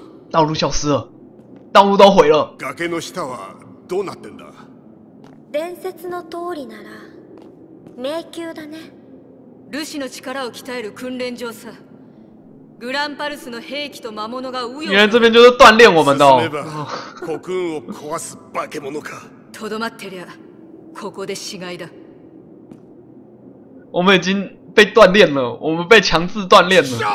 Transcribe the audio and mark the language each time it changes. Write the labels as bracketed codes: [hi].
[zh] 道路消失了，道路都毁了。 [ja] 崖の下はどうなってんだ？伝説の通りなら迷宮だね。ルシの力を鍛える訓練場さ。グランパルスの兵器と魔物が右翼。 [zh] 原来这边就是锻炼我们的。 [ja] 国運を壊す化け物か。とどまってりゃ、ここで死骸だ。 [zh] 我们已经被锻炼了，我们被强制锻炼了。